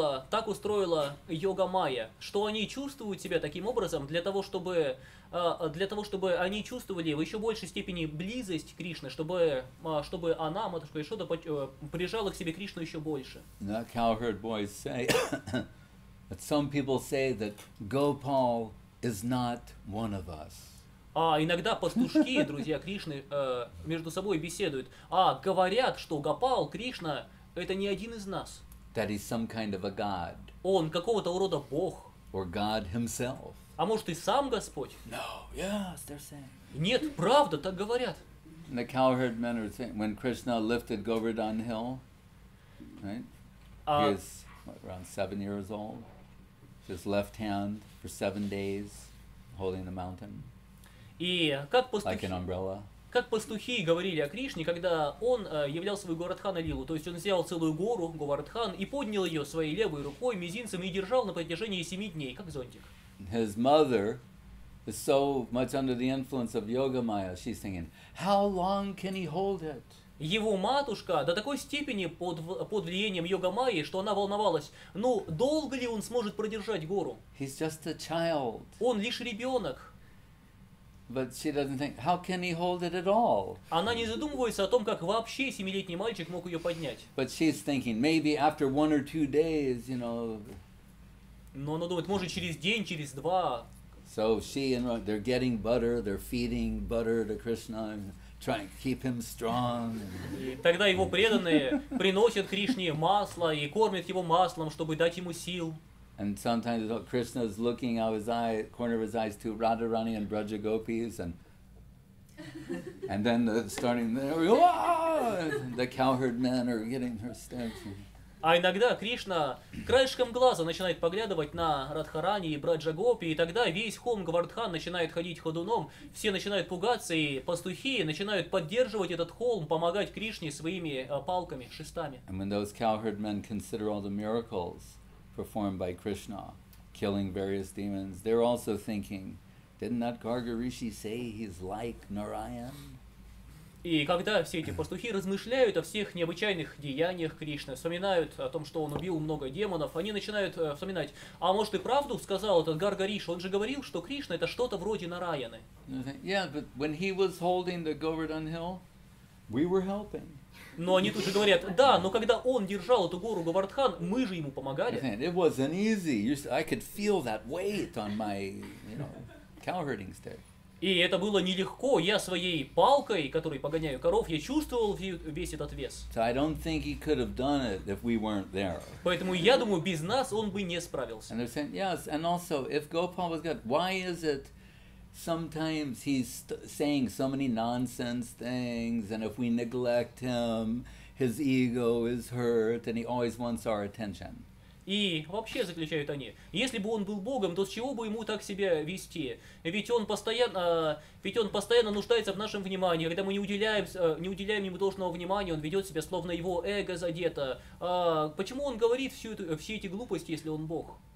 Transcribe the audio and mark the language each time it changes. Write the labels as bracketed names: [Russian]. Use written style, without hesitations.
[Russian] Так устроила йога майя, что они чувствуют себя таким образом для того, чтобы они чувствовали в еще большей степени близость Кришны, чтобы она, матушка Яшода, прижала к себе Кришну еще больше. [English] The cowherd boys say that some people say that Gopal is not one of us. [Russian] А иногда пастушки, друзья Кришны, между собой беседуют. А говорят, что Гопал, Кришна, это не один из нас. [English] That he's some kind of a god. [Russian] Он какого-то рода бог. [English] Or God himself. [Russian] А может и сам Господь? [English] No, yes, they're saying. [Russian] Нет, правда, так говорят. [English] And the cowherd men are saying, when Krishna lifted Govardhan Hill, right? He is around 7 years old. His left hand for 7 days, holding the mountain. [Russian] И как пастухи, [English] like an umbrella. [Russian] Как пастухи говорили о Кришне, когда он являл свой Говардхана лилу, то есть он взял целую гору, Говардхан, и поднял ее своей левой рукой, мизинцем, и держал на протяжении 7 дней, как зонтик. [English] His mother is so much under the influence of Yogamaya, she's thinking, how long can he hold it? [Russian] Его матушка до такой степени под влиянием Йогамайи, что она волновалась, ну, долго ли он сможет продержать гору? [English] He's just a child. [Russian] Он лишь ребенок. [English] But she doesn't think, how can he hold it at all? [Russian] Она не задумывается о том, как вообще 7-летний мальчик мог ее поднять. [English] But she's thinking, maybe after one or two days, you know. [Russian] Но она думает, может, через день, через два. [English] So she and her, they're getting butter, they're feeding butter to Krishna. Trying to keep him strong. [Russian] И тогда его преданные приносят Кришне масло и кормят его маслом, чтобы дать ему сил. [English] And sometimes Krishna is looking out his eye, corner of his eyes to Radharani and Braja Gopis, and then starting there, the cowherd men are getting their steps. [Russian] А иногда Кришна краешком глаза начинает поглядывать на Радхарани и Браджагопи, и тогда весь хом Говардхан начинает ходить ходуном, все начинают пугаться, и пастухи начинают поддерживать этот холм, помогать Кришне своими палками, шестами. [English] And when those cowherd men consider all the miracles performed by Krishna, killing various demons, they're also thinking, didn't that Garga Rishi say he's like Narayan? [Russian] И когда все эти пастухи размышляют о всех необычайных деяниях Кришны, вспоминают о том, что он убил много демонов, они начинают вспоминать, а может и правду сказал этот Гарга Риша, он же говорил, что Кришна это что-то вроде Нараяны. [English] Yeah, but when he was holding the Govardhan Hill, we were helping. [Russian] Но они тут же говорят, да, но когда он держал эту гору Говардхан, мы же ему помогали. [English] It wasn't easy. I could feel that weight on my, cowherding stick. [Russian] И это было нелегко. Я своей палкой, которой погоняю коров, я чувствовал весь этот вес. So I don't think he could have done it if we weren't there. Поэтому я думаю, без нас он бы не справился. [English] And they're saying, yes, and also, if Gopal was God, why is it sometimes he's saying so many nonsense things, and if we neglect him, his ego is hurt, and he always wants our attention? [Russian] И вообще, заключают они, если бы он был Богом, то с чего бы ему так себя вести? Ведь он постоянно нуждается в нашем внимании. Когда мы не уделяем ему должного внимания, он ведет себя, словно его эго задето. Почему он говорит все эти глупости, если он Бог?